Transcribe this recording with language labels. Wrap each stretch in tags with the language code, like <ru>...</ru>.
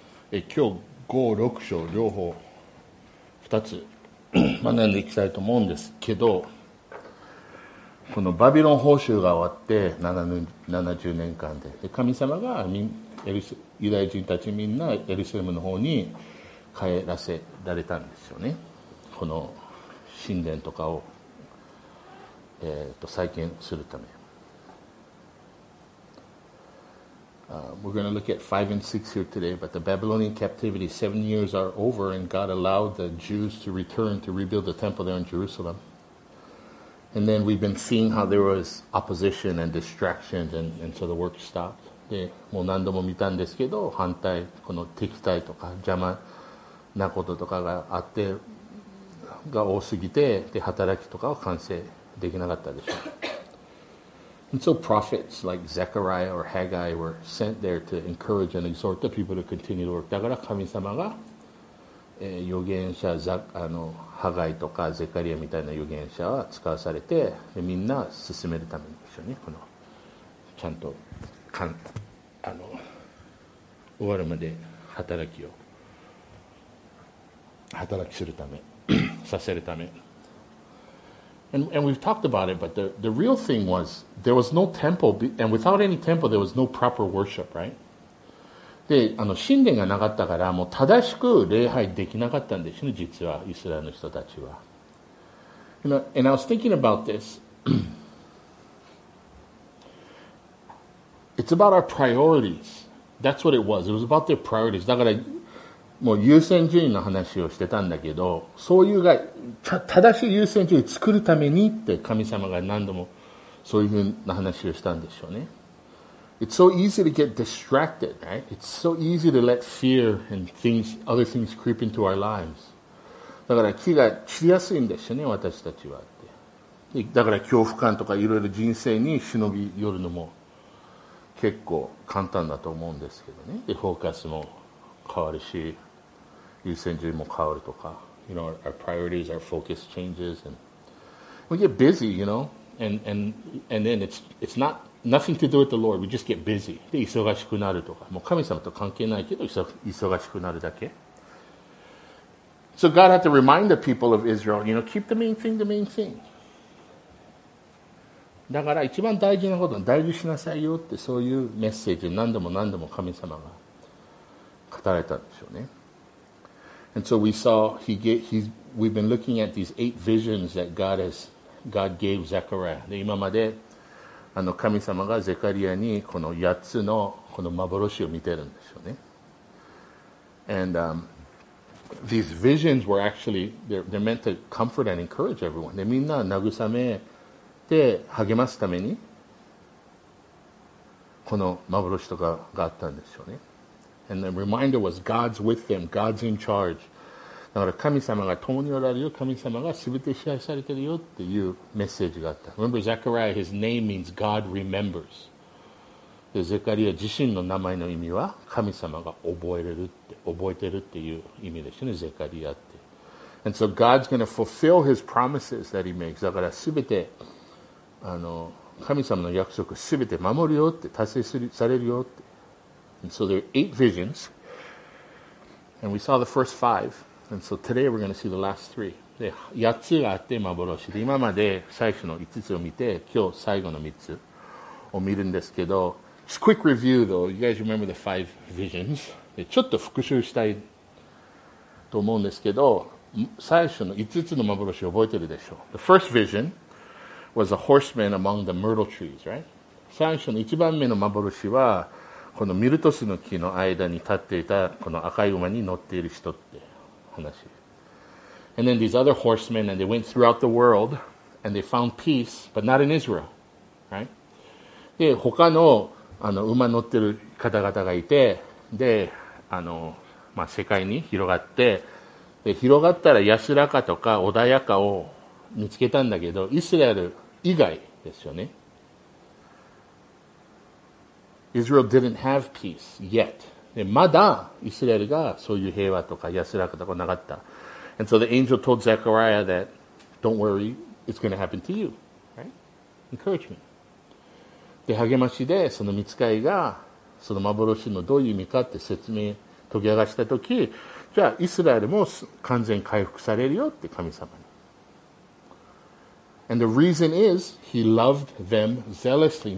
<ja>今日5、6章両方2つ学んでいきたいと思うんですけど、このバビロン報酬が終わって70年間 で神様がユダヤ人たちみんなエルサレムの方に帰らせられたんですよね。この神殿とかを、再建するため。</ja> <en>We're going to look at 5 and 6 here today, but the Babylonian captivity 7 years are over and God allowed the Jews to return to rebuild the temple there in Jerusalem. And then we've been seeing how there was opposition and distractions and so the work stopped.</en> <ja>で、もう何度も見たんですけど、反対、この敵対とか邪魔なこととかがあって、が多すぎて、で、働きとかは完成できなかったでしょう。</ja> <en>And so prophets like Zechariah or Haggai were sent there to encourage and exhort the people to continue to work.</en> <ja>だから神様が、預言者ザあのハガイとかゼカリアみたいな預言者は使わされて、でみんな進めるためにですよね。このちゃんとかんあの終わるまで働きを働きするためさせるため。</ja> <en>And we've talked about it, but the real thing was there was no temple, and without any temple, there was no proper worship, right?</en> <ja>で、あの神殿がなかったから、もう正しく礼拝できなかったんですね、実は、イスラエルの人たちは。</ja> <en>And I was thinking about this. It's about our priorities. That's what it was. It was about their priorities.</en> <ja>だから、もう優先順位の話をしてたんだけど、そういうが正しい優先順位を作るためにって神様が何度もそういうふうな話をしたんでしょうね。</ja> <en>It's so easy to get distracted, right? It's so easy to let fear and things, other things creep into our lives.</en> <ja>だから気が散りやすいんですよね、私たちはって。だから恐怖感とかいろいろ人生に忍び寄るのも結構簡単だと思うんですけどね。で、フォーカスも変わるし、優先順位も変わるとか。</ja> <en>You know, our priorities, our focus changes, and we get busy, you know, and then it's not... Nothing to do with the Lord. We just get busy.</en> <ja>で、忙しくなるとか。もう神様と関係ないけど、忙しくなるだけ。</ja> <en>So God had to remind the people of Israel, you know, keep the main thing the main thing.</en> <ja>だから一番大事なことは大事しなさいよって、そういうメッセージ何度も何度も神様が語られたんでしょうね。</ja> <en>And so we saw, we've been looking at these eight visions that God gave Zechariah.</en> <ja>で、今まで、あの神様がゼカリアにこの8つのこの幻を見てるんですよね。</ja> <en>And these visions were actually, they're meant to comfort and encourage everyone.</en> <ja>で、みんな慰めて励ますためにこの幻とかがあったんですよね。</ja> <en>And the reminder was God's with them, God's in charge.</en> <ja>だから神様が共におられるよ、神様が全て支配されてるよっていうメッセージがあった。</ja> <en>Remember Zechariah, his name means God remembers.</en> <ja>で、ゼカリア自身の名前の意味は神様が覚えてるっていう意味ですよね、ゼカリアって。</ja> <en>And so God's going to fulfill his promises that he makes.</en> <ja>だから全て、あの、神様の約束全て守るよって、達成されるよって。</ja> <en>And so there are eight visions. And we saw the first five. And so today we're going to see the last three.</en> <ja>で、八つがあって幻で、今まで最初の五つを見て、今日最後の三つを見るんですけど、</ja> <en>Just quick review though, you guys remember the five visions?</en> <ja>で、ちょっと復習したいと思うんですけど、最初の五つの幻を覚えてるでしょう。</ja> <en>The first vision was a horseman among the myrtle trees, right?</en> <ja>最初の一番目の幻は、このミルトスの木の間に立っていたこの赤い馬に乗っている人って。</ja> <en>And then these other horsemen, and they went throughout the world, and they found peace, but not in Israel, right?</en> <ja>で、他の、あの、馬乗ってる方々がいて、で、あの、まあ、世界に広がって、で、広がったら安らかとか穏やかを見つけたんだけど、イスラエル以外ですよね。</ja> <en>Israel didn't have peace yet.</en> <ja>で、まだイスラエルがそういう平和とか安らかとかなかった。</ja> <en>And so the angel told Zechariah that, don't worry, it's going to happen to you. Right? Encourage me.</en> <ja>で、励ましでその御使いがその幻のどういう意味かって説明、解き明かした時、じゃあイスラエルも完全回復されるよって神様に。</ja> <en>And the reason is, he loved them zealously.</en>